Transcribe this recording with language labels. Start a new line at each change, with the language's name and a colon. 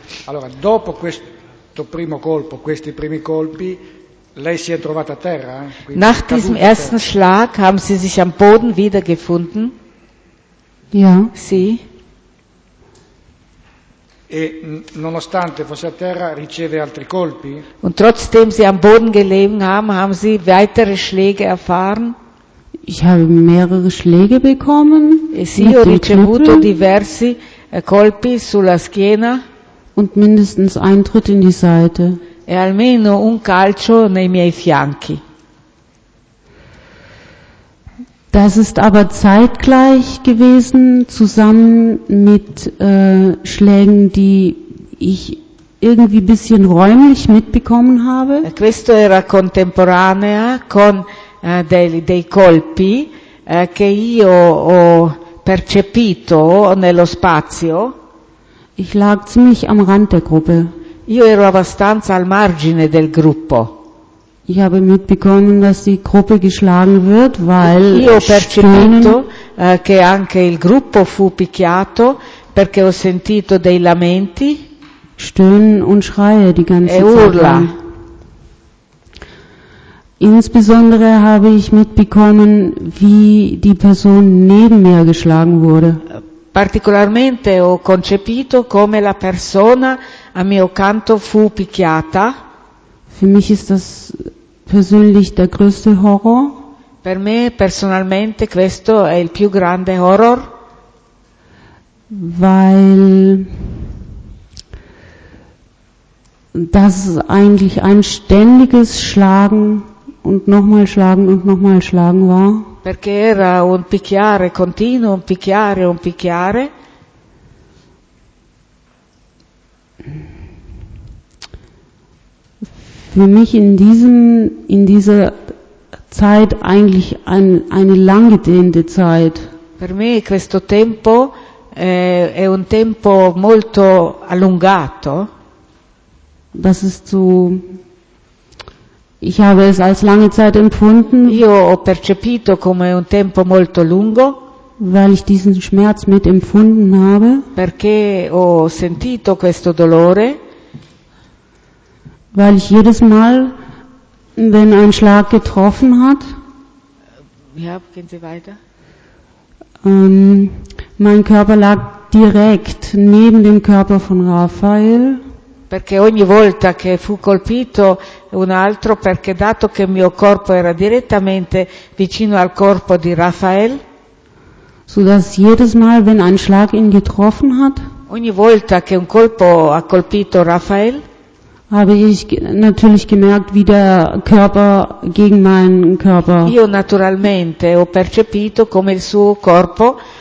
Italian: Allora, dopo questo primo colpo, questi primi colpi, lei si è trovata a terra?
German: Nach diesem ersten Schlag haben Sie sich am Boden wiedergefunden? Ja.
Italian: Sì. E nonostante fosse a terra riceve altri colpi?
German: Und trotzdem Sie am Boden gelegen haben, haben Sie weitere Schläge erfahren? Ich habe mehrere Schläge bekommen.
Italian: E sì, ho ricevuto Knüppel. Diversi colpi sulla schiena.
German: Und mindestens ein Tritt in die Seite.
Italian: E almeno un calcio nei miei fianchi.
German: Das ist aber zeitgleich gewesen, zusammen mit Schlägen, die ich irgendwie ein bisschen räumlich mitbekommen habe.
Italian: Questo era contemporanea con dei colpi che io ho percepito nello spazio.
German: Ich lag ziemlich am Rand der Gruppe.
Italian: Io ero abbastanza al margine del gruppo.
German: Ich habe mitbekommen, dass die Gruppe geschlagen wird, weil
Italian: io ho percepito che anche il gruppo fu picchiato perché ho sentito dei lamenti,
German: stöhnen und schreie die ganze
Italian: e urla.
German: Insbesondere habe ich mitbekommen, wie die Person neben mir geschlagen wurde.
Italian: Particolarmente ho concepito come la persona a mio canto fu picchiata.
German: Für mich ist das persönlich der größte Horror.
Italian: Per me personalmente questo è il più grande horror.
German: Weil das ist eigentlich ein ständiges Schlagen und nochmal Schlagen und nochmal Schlagen war.
Italian: Perché era un picchiare continuo, un picchiare, un picchiare.
German: Für mich in dieser Zeit eigentlich eine langgedehnte Zeit.
Italian: Per me questo tempo è un tempo molto allungato.
German: Das ist so. Ich habe es als lange Zeit empfunden.
Italian: Io ho percepito come un tempo molto lungo.
German: Weil ich diesen Schmerz mit empfunden habe.
Italian: Perché ho sentito questo dolore.
German: Weil ich jedes Mal, wenn ein Schlag getroffen hat, ja, gehen Sie weiter. Mein Körper lag direkt neben dem Körper von Raphael.
Italian: Perché ogni volta che fu colpito un altro, perché dato che mio corpo era direttamente vicino al corpo di Raphael,
German: sodass jedes Mal, wenn ein Schlag ihn getroffen hat,
Italian: ogni volta che un colpo ha colpito Raphael,
German: habe ich natürlich gemerkt, wie der Körper gegen meinen Körper.
Italian: Io naturalmente ho percepito come il suo corpo